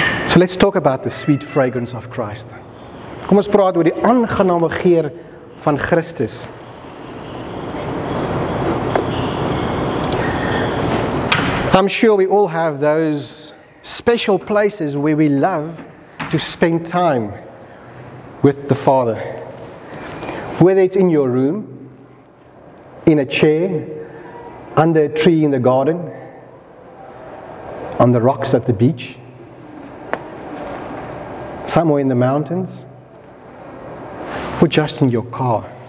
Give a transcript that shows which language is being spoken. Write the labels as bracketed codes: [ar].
[en] So let's talk about the sweet fragrance of Christ. [af] Kom ons praat oor die aangename geur van Christus. [en] I'm sure we all have those special places where we love to spend time with the Father. Whether it's in your room, in a chair, under a tree in the garden, on the rocks at the beach, somewhere in the mountains, or just in your car.